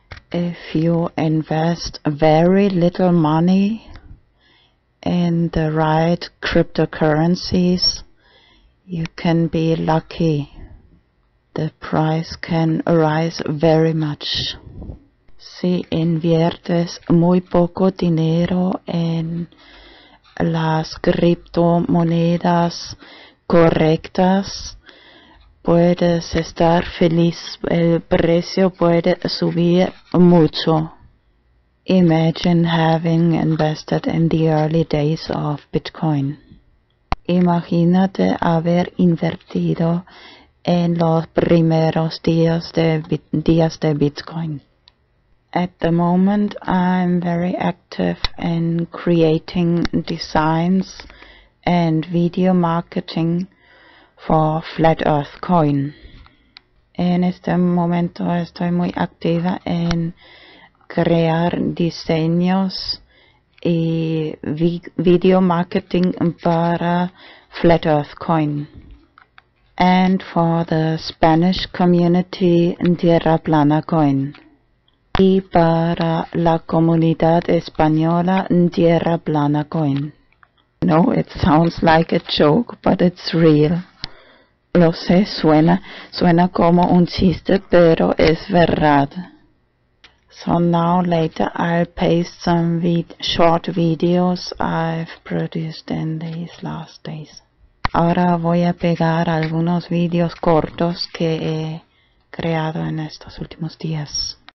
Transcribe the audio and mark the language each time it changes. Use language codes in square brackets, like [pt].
[en] If you invest very little money in the right cryptocurrencies, you can be lucky. The price can rise very much. [es] Si inviertes muy poco dinero en las criptomonedas correctas, puedes estar feliz, el precio puede subir mucho. [en] Imagine having invested in the early days of Bitcoin. [es] Imagínate haber invertido en los primeros días de Bitcoin. [en] At the moment, I'm very active in creating designs and video marketing for Flat Earth Coin. [es] En este momento estoy muy activa en crear diseños y video marketing para Flat Earth Coin. [en] And for the Spanish community, Tierra Plana Coin. [es] Y para la comunidad española, Tierra Plana Coin. [en] No, it sounds like a joke, but it's real. [es] Lo sé, suena como un chiste, pero es verdad. [en] So now later I'll paste some short videos I've produced in these last days. [es] Ahora voy a pegar algunos videos cortos que he creado en estos últimos días.